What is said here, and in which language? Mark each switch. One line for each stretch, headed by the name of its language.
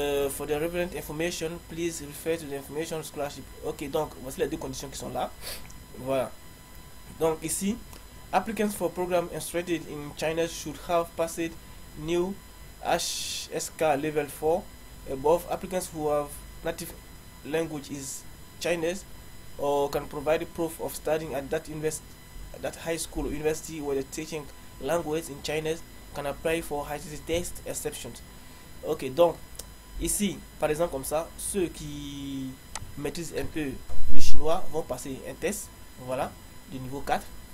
English: For the relevant information, please refer to the information scholarship.
French: Ok, donc voici les deux conditions qui sont là. Voilà. Donc ici,
English: applicants for program instructed in China should have passed new HSK level 4 above. Applicants who have native language is Chinese or can provide proof of studying at that high school or university where the teaching language in Chinese can apply for HSK test exceptions.
French: Ok, donc ici, par exemple comme ça, ceux qui maîtrisent un peu le chinois vont passer un test, voilà, de niveau 4.